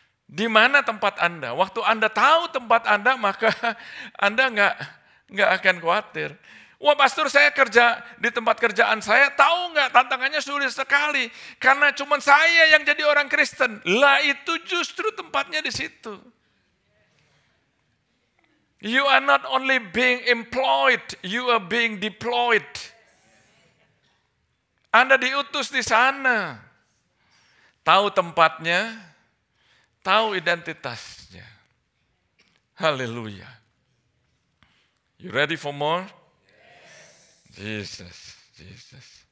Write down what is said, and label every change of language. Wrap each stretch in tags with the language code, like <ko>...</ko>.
<id>Di mana tempat Anda. Waktu Anda tahu tempat Anda, maka Anda enggak akan khawatir. Wah pastor, saya kerja di tempat kerjaan saya, tahu enggak tantangannya sulit sekali. Karena cuma saya yang jadi orang Kristen. Lah itu justru tempatnya di situ.</id> <en>You are not only being employed, you are being deployed.</en> <id>Anda diutus di sana. Tahu tempatnya, tahu identitasnya.</id> <en>Haleluya. You ready for more? Yes. Jesus, Jesus.</en>